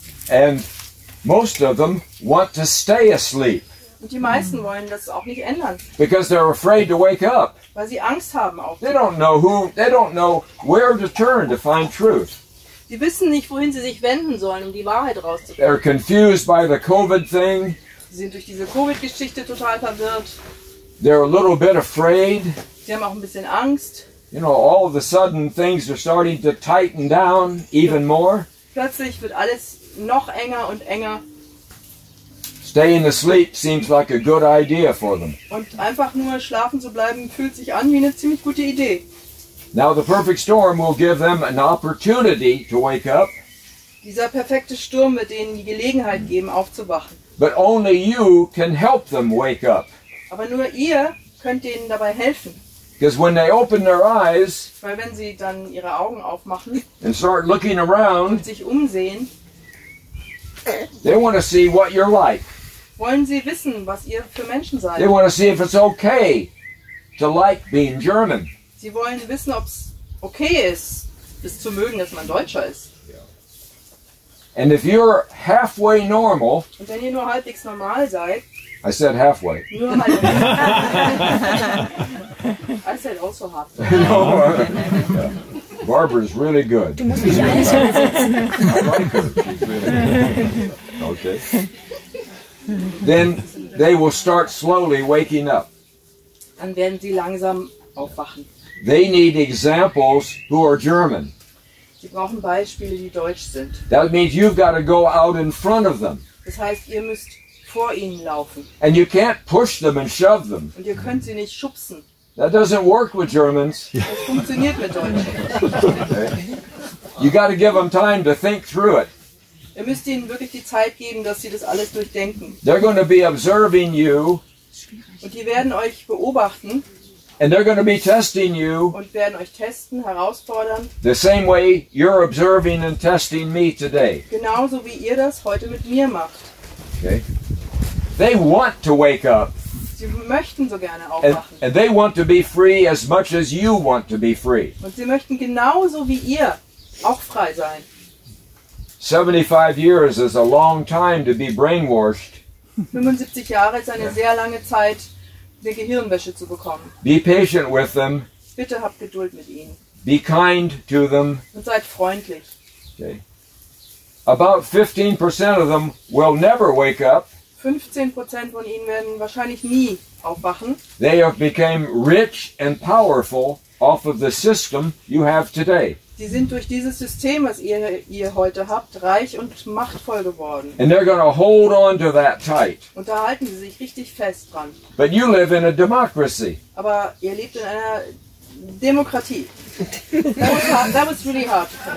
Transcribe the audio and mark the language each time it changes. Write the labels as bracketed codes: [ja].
[en] And most of them want to stay asleep. [de] Und die meisten wollen das auch nicht ändern. [en] Because they're afraid to wake up. [de] Weil sie Angst haben aufzuwachen. [en] They don't know where to turn to find truth. [de] Sie wissen nicht, wohin sie sich wenden sollen, um die Wahrheit rauszufinden. [en] They're confused by the COVID thing. [de] Sie sind durch diese Covid-Geschichte total verwirrt. [en] They're a little bit afraid. [de] Sie haben auch ein bisschen Angst. [en] You know, all of a sudden things are starting to tighten down even more. [de] Plötzlich wird alles noch enger und enger. [en] Staying asleep seems like a good idea for them. [de] Und einfach nur schlafen zu bleiben fühlt sich an wie eine ziemlich gute Idee. [en] Now the perfect storm will give them an opportunity to wake up. [de] Dieser perfekte Sturm wird ihnen die Gelegenheit geben, aufzuwachen. [en] But only you can help them wake up. [de] Aber nur ihr könnt ihnen dabei helfen. [en] Because when they open their eyes, [de] weil wenn sie dann ihre Augen aufmachen [en] and start looking around, [de] und sich umsehen, [en] they want to see what you're like. [de] Wollen sie wissen, was ihr für Menschen seid. [en] They want to see if it's okay to like being German. [de] Sie wollen wissen, ob es okay ist, es zu mögen, dass man Deutscher ist. [en] And if you're halfway normal, [de] und wenn ihr nur halbwegs normal seid, [en] I said halfway. [de] Nur halbwegs. [en] I said also halfway. No, Barbara's really good. [de] Du musst mich einsetzen. [en] I like her. She's really good. Okay. Then they will start slowly waking up. [de] Dann werden sie langsam aufwachen. [en] They need examples who are German. [de] Sie brauchen Beispiele, die Deutsch sind. [en] That means you've got to go out in front of them. [de] Das heißt, ihr müsst vor ihnen laufen. [en] And you can't push them and shove them. [de] Und ihr könnt sie nicht schubsen. [en] That doesn't work with Germans. [de] Das funktioniert mit Deutschen. Okay. [en] You got to give them time to think through it. [de] Ihr müsst ihnen wirklich die Zeit geben, dass sie das alles durchdenken. [en] They're going to be observing you. [de] Und die werden euch beobachten. [en] And they're going to be testing you. [de] Und werden euch testen, herausfordern. [en] The same way you're observing and testing me today. [de] Genauso wie ihr das heute mit mir macht. [en] Okay. They want to wake up. [de] Sie möchten so gerne aufwachen. [en] And they want to be free as much as you want to be free. [de] Und sie möchten genauso wie ihr auch frei sein. [en] 75 years is a long time to be brainwashed. [de] 75 Jahre ist eine sehr lange Zeit, eine Gehirnwäsche zu bekommen. [en] Be patient with them. [de] Bitte habt Geduld mit ihnen. [en] Be kind to them. [de] Und seid freundlich. [en] Okay. About 15% of them will never wake up. [de] 15% von ihnen werden wahrscheinlich nie aufwachen. [en] They have become rich and powerful off of the system you have today. [de] Sie sind durch dieses System, was ihr heute habt, reich und machtvoll geworden. [en] And they're gonna hold on to that tight. [de] Und da halten sie sich richtig fest dran. [en] But you live in a democracy. [de] Aber ihr lebt in einer Demokratie. [en] That was really hard.